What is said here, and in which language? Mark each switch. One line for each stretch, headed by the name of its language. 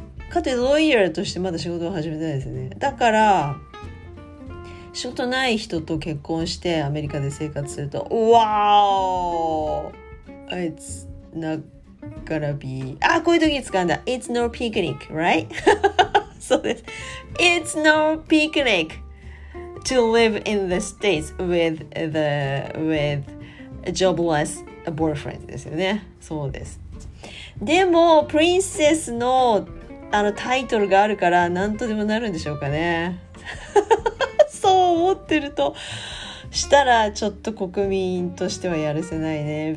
Japanese: かつ、ロイヤーとしてまだ仕事を始めたんですよね。だから、仕事ない人と結婚してアメリカで生活すると、わーあいつ、な、
English: gonna be
Japanese: あ、こういう時に使うんだ。
English: It's no picnic, right?
Japanese: そうです。
English: It's no picnic to live in the States with jobless a boyfriend
Japanese: ですよね。そうです。でもプリンセスのあのタイトルがあるから何とでもなるんでしょうかね。そう思ってるとしたらちょっと国民としてはやるせないね。